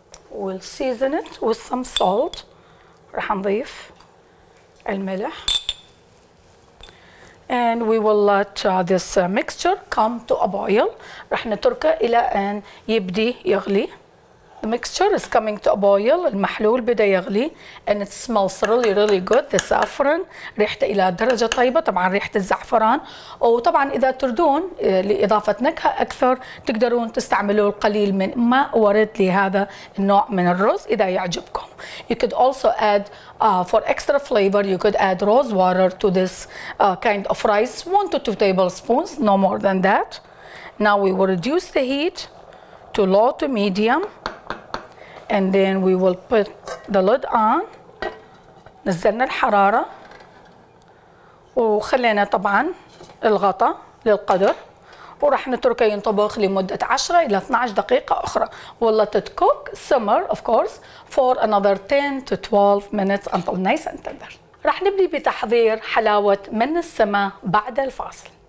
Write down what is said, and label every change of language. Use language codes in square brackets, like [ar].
[en] We'll season it with some salt. [ar] رح نضيف الملح. [en] And we will let this mixture come to a boil. [ar] رح نتركه إلى أن يبدي يغلي. [en] The mixture is coming to a boil. [ar] المحلول بدأ يغلي. [en] And it smells really really good. The saffron. [ar] ريحته إلى درجة طيبة. طبعا ريحة الزعفران. وطبعا إذا تردون لإضافة نكهة أكثر تقدرون تستعملوا القليل من ماء ورد لهذا النوع من الرز إذا يعجبكم. [en] You could also add for extra flavor you could add rose water to this kind of rice. 1 to 2 tablespoons. No more than that. Now we will reduce the heat to low to medium. And then we will put the lid on. [ar] نزلنا الحرارة وخلينا طبعا الغطاء للقدر وراح نتركه ينطبخ لمدة 10 إلى 12 دقيقة أخرى. [en] We'll let it cook, simmer of course, for another 10 to 12 minutes until nice and tender. [ar] راح نبدأ بتحضير حلاوة من السماء بعد الفاصل.